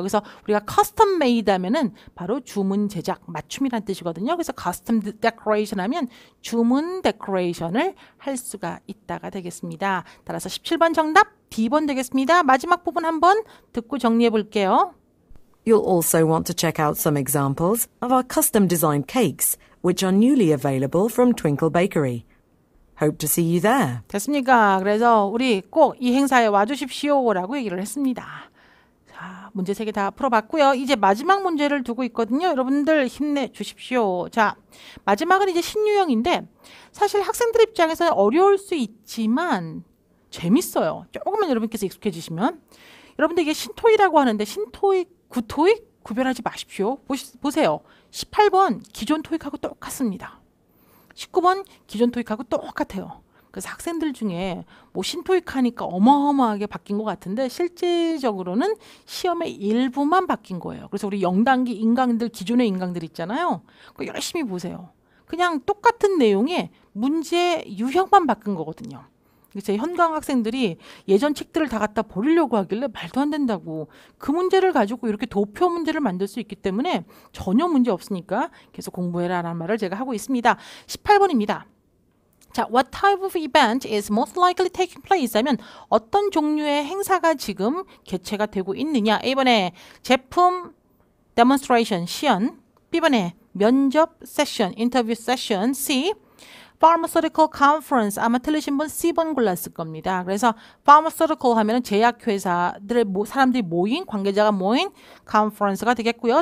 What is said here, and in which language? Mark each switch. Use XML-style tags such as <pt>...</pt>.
<ko>그래서 우리가 커스텀 메이드 하면은 바로 주문 제작 맞춤이란 뜻이거든요. 그래서 커스텀 데코레이션 하면 주문 데코레이션을 할 수가 있다가 되겠습니다. 따라서 17번 정답 D번 되겠습니다. 마지막 부분 한번 듣고 정리해 볼게요.</ko> <en>You'll also want to check out some examples of our custom designed cakes which are newly available from Twinkle Bakery. Hope to see you there.</en> <ko>됐습니까? 그래서 우리 꼭 이 행사에 와주십시오라고 얘기를 했습니다. 자, 문제 3개 다 풀어봤고요. 이제 마지막 문제를 두고 있거든요. 여러분들 힘내주십시오. 자, 마지막은 이제 신유형인데 사실 학생들 입장에서는 어려울 수 있지만 재밌어요. 조금만 여러분께서 익숙해지시면. 여러분들 이게 신토익이라고 하는데 신토익, 구토익 구별하지 마십시오. 보세요. 18번 기존 토익하고 똑같습니다. 19번 기존 토익하고 똑같아요. 그래서 학생들 중에 뭐 신토익 하니까 어마어마하게 바뀐 것 같은데 실질적으로는 시험의 일부만 바뀐 거예요. 그래서 우리 0단계 인강들, 기존의 인강들 있잖아요. 그거 열심히 보세요. 그냥 똑같은 내용의 문제 유형만 바뀐 거거든요. 제 현강 학생들이 예전 책들을 다 갖다 버리려고 하길래 말도 안 된다고. 그 문제를 가지고 이렇게 도표 문제를 만들 수 있기 때문에 전혀 문제 없으니까 계속 공부해라 라는 말을 제가 하고 있습니다. 18번입니다. 자,</ko> <en>what type of event is most likely taking place?</en> <ko>하면 어떤 종류의 행사가 지금 개최가 되고 있느냐. A번에 제품 demonstration, 시연. B번에 면접 session,</ko> <en>interview session.</en> <ko>C.</ko> <en>Pharmaceutical Conference.</en> <ko>아마 틀리신 분 C번 골랐을 겁니다. 그래서 Pharmaceutical 하면 제약회사들의 사람들이 모인, 관계자가 모인 Conference가 되겠고요.</ko>